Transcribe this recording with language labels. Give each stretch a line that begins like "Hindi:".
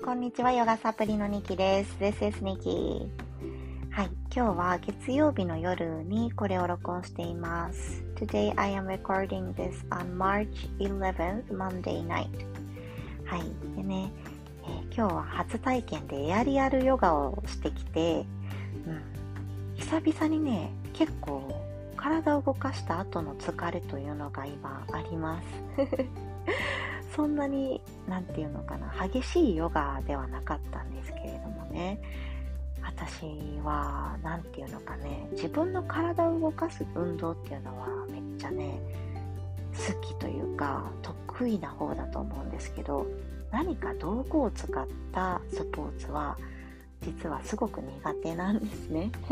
Japanese: こんにちは、ヨガサプリのニキです。
English: This is Nikki.
Japanese: はい、今日は月曜日の夜にこれを録音しています。
English: Today I am recording this on March 11th, Monday night.
Japanese: はい、でね、今日は初体験でエアリアルヨガをしてきて、久々にね、結構体を動かした後の疲れというのが今あります。そんなに、なんていうのかな、激しいヨガではなかったんですけれどもね、私は、なんていうのかね、自分の体を動かす運動っていうのは、めっちゃね、好きというか、得意な方だと思うんですけど、何か道具を使ったスポーツは、実はすごく苦手なんですね。